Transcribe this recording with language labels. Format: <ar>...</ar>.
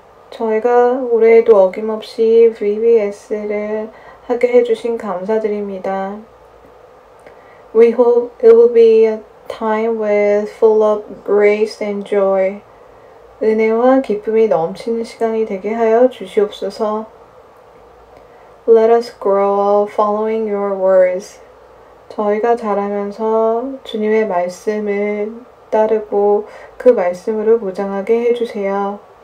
<ko>저희가 올해에도 어김없이 VBS를 하게 해주신 감사드립니다.</ko> <en>We hope it will be a time with full of grace and joy.</en> <ko>은혜와 기쁨이 넘치는 시간이 되게 하여 주시옵소서.</ko> <en>Let us grow following your words.</en> <ko>저희가 자라면서 주님의 말씀을 따르고 그 말씀으로 무장하게 해주세요.</ko>